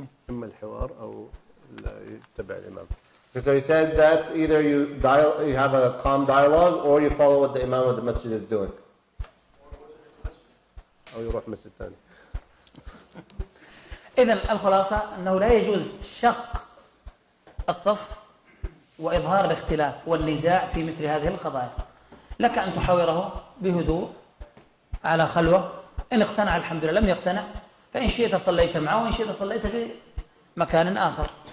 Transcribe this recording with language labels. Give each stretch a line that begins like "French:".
Arabic: إما الحوار أو يتبع الإمام.
English: So he said that either you dial, you have a calm dialogue, or you follow what the Imam of the Masjid is doing.
Arabic: أو يروح مسجد ثاني. إذن الخلاصة أنه لا يجوز شق الصف وإظهار الاختلاف والنزاع في مثل هذه القضايا. لك أن تحاوره بهدوء على خلوة، إن اقتنع الحمد لله، لم يقتنع فإن شئت صليت معه، وإن شئت صليت في مكان آخر.